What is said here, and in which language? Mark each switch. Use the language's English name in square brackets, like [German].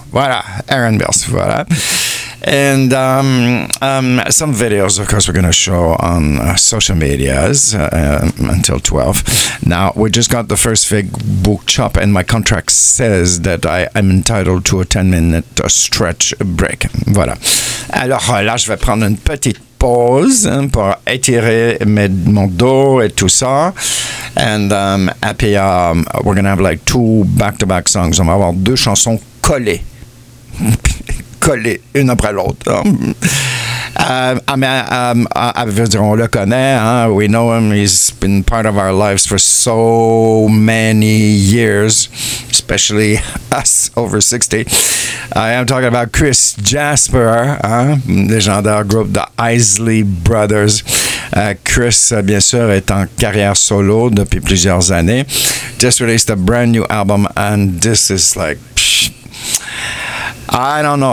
[English] Voilà, Aaron Mills, voilà. And some videos, of course, we're going to show on social medias until 12. Now, we just got the first big book chop, and my contract says that I'm entitled to a 10-minute stretch break. [French] Voilà. Alors là, je vais prendre une petite pause pour étirer mon dos et tout ça. [English] And puis, we're going to have like two back-to-back songs. [French] On va avoir deux chansons collées. Une après l'autre. On le connaît, hein? [English] We know him, he's been part of our lives for so many years, especially us over 60. I am talking about Chris Jasper, hein? [French] Légendaire groupe de [English] Isley Brothers. [French] Chris, bien sûr, est en carrière solo depuis plusieurs années. [English] Just released a brand new album, and this is like... I don't know.